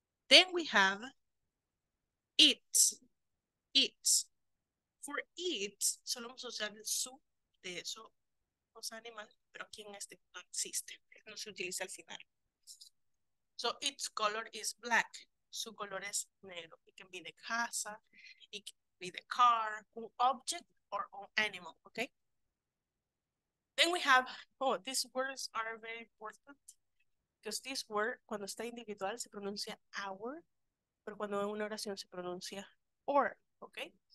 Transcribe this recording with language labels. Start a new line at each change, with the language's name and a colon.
English: Then we have it, it. For it,
Spanish: solo vamos a usar el su de eso, o sea, animal, pero aquí en este no existe, no se utiliza al final.
English: So its color is black,
Spanish: su color es negro.
English: It can be the casa, it can be the car, an object, or an animal, okay? Then we have, oh, these words are very important. Because this word,
Spanish: cuando está individual, se pronuncia our. Pero cuando en una oración se pronuncia or, okay?